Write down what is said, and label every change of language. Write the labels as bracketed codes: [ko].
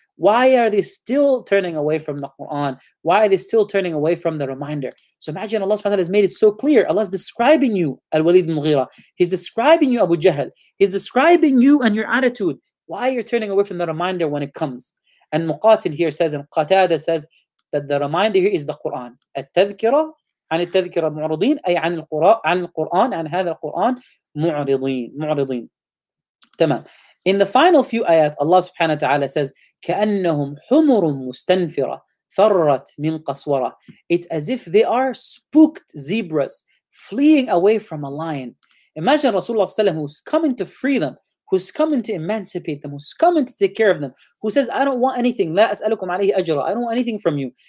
[en] Why are they still turning away from the Quran? Why are they still turning away from the reminder? So imagine Allah subhanahu wa ta'ala has made it so clear. Allah is describing you, Al-Walid al-Mughira. He's describing you, Abu Jahl. He's describing you and your attitude. Why you're turning away from the reminder when it comes? And Muqatil here says, and Qatada says, that the reminder here is the Quran. [ar] التذكرة عن التذكرة معرضين أي عن القرآن عن هذا القرآن معرضين. تمام. [en] In the final few ayat, Allah subhanahu wa ta'ala says, [ar] كأنهم حمر مستنفرة فرت من قصورة. [en] It's as if they are spooked zebras fleeing away from a lion. Imagine Rasulullah SAW who's coming to free them, who's coming to emancipate them, who's coming to take care of them, who says, I don't want anything, [ar] لا أسألكم عليه أجرا, [en] I don't want anything from you.